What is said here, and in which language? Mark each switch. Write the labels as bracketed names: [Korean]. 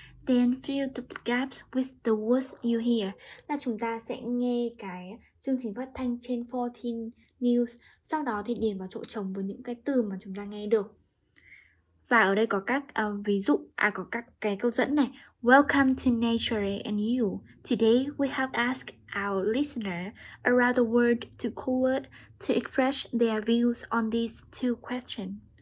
[English] Then fill the gaps with the words you hear. [Vietnamese] Là chúng ta sẽ nghe cái chương trình phát thanh trên 14 news. Sau đó thì điền vào chỗ trống với những cái từ mà chúng ta nghe được. Và ở đây có các ví dụ, có các cái câu dẫn này. [English] Welcome to Nature and You. Today we have asked our listener around the world to collect to express their views on these two questions.